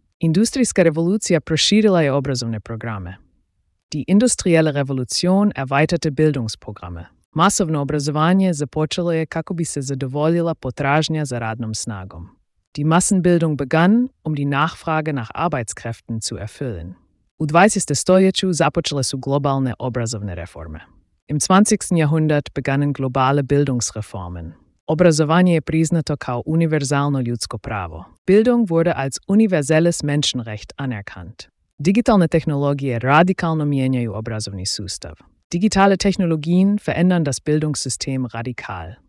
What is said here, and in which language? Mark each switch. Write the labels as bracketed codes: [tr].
[hr] Industrijska revolucija proširila je obrazovne programe. [de] Die industrielle Revolution erweiterte Bildungsprogramme. [hr] Masovno obrazovanje započelo je kako bi se zadovoljila potražnja za radnom snagom. [de] Die Massenbildung begann, die Nachfrage nach Arbeitskräften zu erfüllen. [hr] U 20. stoljeću započele su globalne obrazovne reforme. [de] Im 20. Jahrhundert begannen globale Bildungsreformen. [hr] Obrazovanje je priznato kao univerzalno ljudsko pravo. [de] Bildung wurde als universelles Menschenrecht anerkannt. [hr] Digitalne tehnologije radikalno mijenjaju obrazovni sustav. [de] Digitale tehnologien verändern das Bildungssystem radikal.